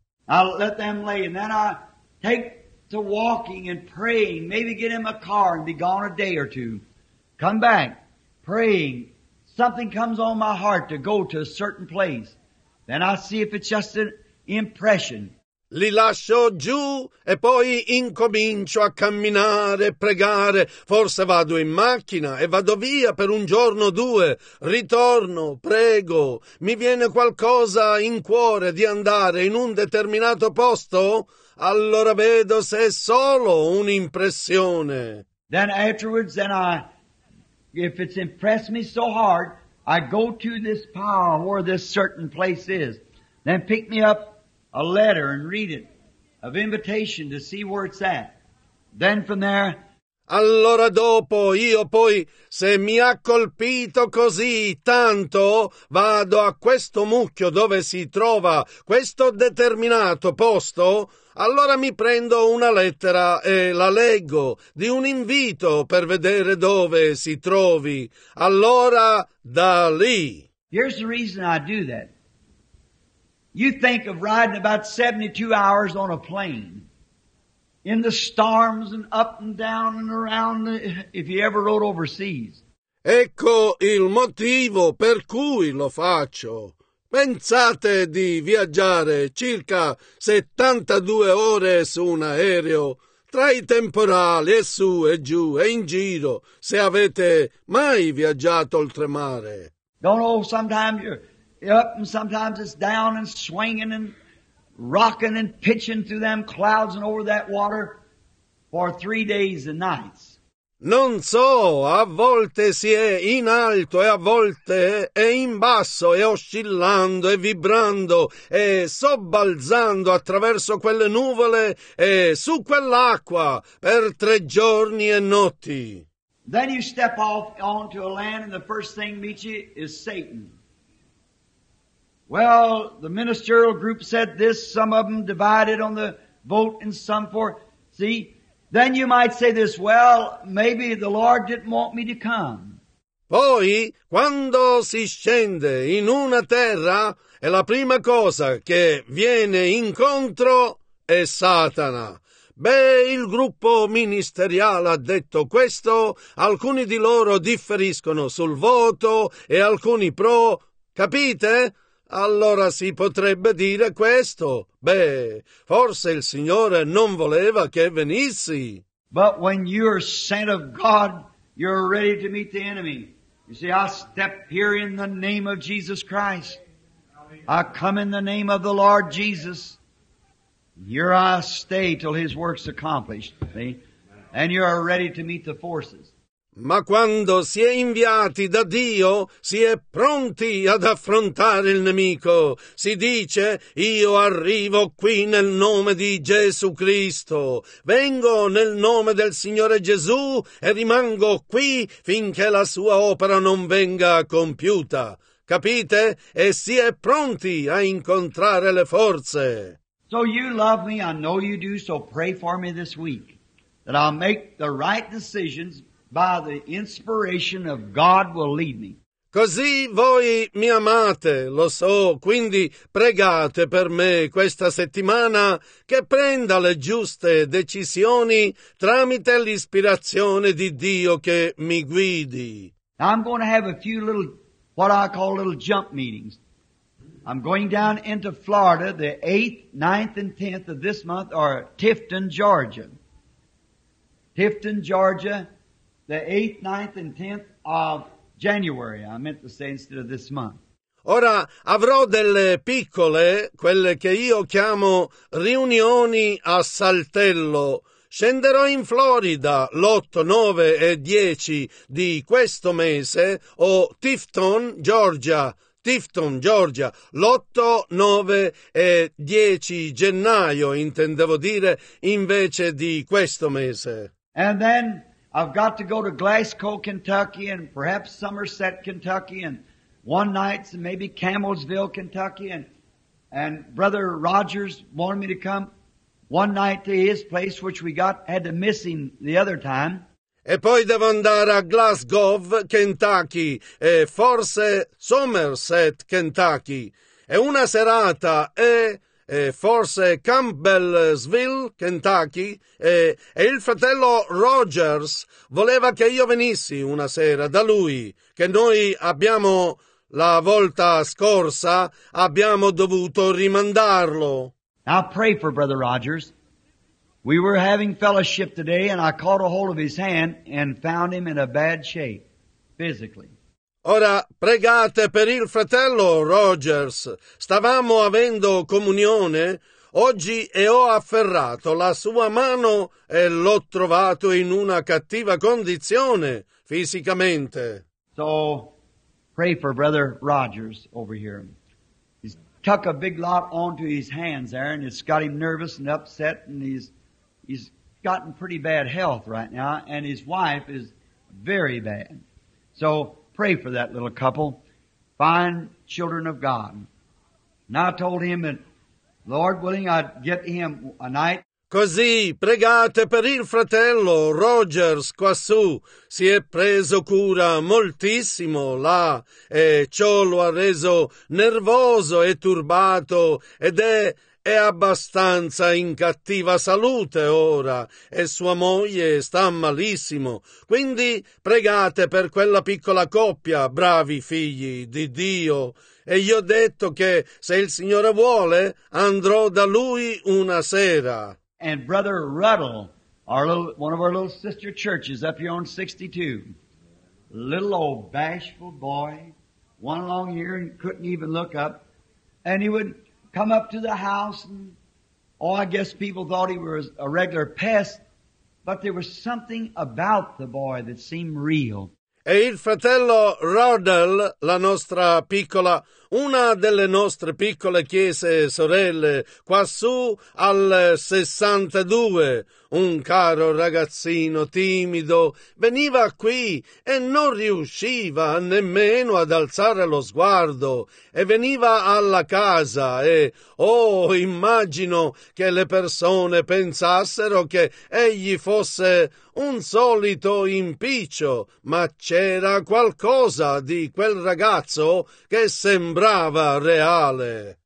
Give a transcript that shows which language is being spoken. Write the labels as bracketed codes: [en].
[en] I'll let them lay and then I take to walking and praying, maybe get in my car and be gone a day or two. Come back, praying. Something comes on my heart to go to a certain place. Then I see if it's just an impression. [it] Li lascio giù e poi incomincio a camminare, pregare. Forse vado in macchina e vado via per un giorno o due. Ritorno, prego. Mi viene qualcosa in cuore di andare in un determinato posto? Allora vedo se è solo un'impressione. [en] Then afterwards, then I... If it's impressed me so hard, I go to this pile where this certain place is. Then pick me up a letter and read it. of invitation to see where it's at. Then from there, [it] allora dopo, io poi, se mi ha colpito così tanto, vado a questo mucchio dove si trova questo determinato posto, allora mi prendo una lettera e la leggo di un invito per vedere dove si trovi. Allora, da lì. [en] Here's the reason I do that. You think of riding about 72 hours on a plane. In the storms and up and down and around, if you ever rode overseas. [it] Ecco il motivo per cui lo faccio. Pensate di viaggiare circa 72 ore su un aereo, tra i temporali e su e giù e in giro, se avete mai viaggiato oltremare. [en] Don't know, sometimes you're up and sometimes it's down and swinging and rocking and pitching through them clouds and over that water for 3 days and nights. [it] Non so, a volte si è in alto e a volte è in basso e oscillando e vibrando e sobbalzando attraverso quelle nuvole e su quell'acqua per 3 giorni e notti. [en] Then you step off onto a land and the first thing meets you is Satan. Well, the ministerial group said this, some of them divided on the vote and some for, see, then you might say this, well, maybe the Lord didn't want me to come. [it] Poi, quando si scende in una terra, è la prima cosa che viene incontro è Satana. Beh, il gruppo ministeriale ha detto questo, alcuni di loro differiscono sul voto e alcuni pro, capite? Allora si potrebbe dire questo. Beh, forse il Signore non voleva che venissi. [en] But when you're sent of God, you're ready to meet the enemy. You see, I step here in the name of Jesus Christ. I come in the name of the Lord Jesus. Here I stay till His work's accomplished. See? And you're ready to meet the forces. [it] Ma quando si è inviati da Dio, si è pronti ad affrontare il nemico. Si dice, io arrivo qui nel nome di Gesù Cristo. Vengo nel nome del Signore Gesù e rimango qui finché la sua opera non venga compiuta. Capite? E si è pronti a incontrare le forze. [en] So you love me, I know you do, so pray for me this week. That I'll make the right decisions. By the inspiration of God will lead me. [it] Così voi mi amate, lo so, quindi pregate per me questa settimana che prenda le giuste decisioni tramite l'ispirazione di Dio che mi guidi. [en] Now I'm going to have a few little, what I call little jump meetings. I'm going down into Florida the 8th, 9th, and 10th of this month, or Tifton, Georgia. Tifton, Georgia. The 8th, 9th, and 10th of January, I meant to say, instead of this month. [it] Ora, avrò delle piccole, quelle che io chiamo riunioni a saltello. Scenderò in Florida l'8, 9 e 10 di questo mese, o Tifton, Georgia, l'8, 9 e 10 gennaio, intendevo dire, invece di questo mese. [en] And then I've got to go to Glasgow, Kentucky, and perhaps Somerset, Kentucky, and one night's and maybe Campbellsville, Kentucky, and Brother Rogers wanted me to come one night to his place, which we had to miss him the other time. [it] E poi devo andare a Glasgow, Kentucky, e forse Somerset, Kentucky, e una serata e forse Campbellsville, Kentucky, e il fratello Rogers voleva che io venissi una sera da lui, che noi abbiamo, la volta scorsa, abbiamo dovuto rimandarlo. [en] I pray for Brother Rogers. We were having fellowship today and I caught a hold of his hand and found him in a bad shape, physically. [it] Ora pregate per il fratello Rogers. Stavamo avendo comunione oggi e ho afferrato la sua mano e l'ho trovato in una cattiva condizione fisicamente. [en] So pray for Brother Rogers over here. He's tucked a big lot onto his hands there, and it's got him nervous and upset, and he's gotten pretty bad health right now, and his wife is very bad. So pray for that little couple. Fine children of God. And I told him that, Lord willing, I'd get him a night. [it] Così pregate per il fratello Rogers quassù. Si è preso cura moltissimo là e ciò lo ha reso nervoso e turbato ed è abbastanza in cattiva salute ora e sua moglie sta malissimo. Quindi pregate per quella piccola coppia, bravi figli di Dio. E gli ho detto che se il Signore vuole andrò da lui una sera. [en] And Brother Ruddle, one of our little sister churches up here on 62, little old bashful boy, one along here and couldn't even look up, and he would come up to the house, and oh, I guess people thought he was a regular pest, but there was something about the boy that seemed real. [it] E il fratello Ruddle, la nostra piccola, una delle nostre piccole chiese sorelle, quassù al 62, un caro ragazzino timido, veniva qui e non riusciva nemmeno ad alzare lo sguardo e veniva alla casa e, oh, immagino che le persone pensassero che egli fosse un solito impiccio, ma c'era qualcosa di quel ragazzo che sembrava reale.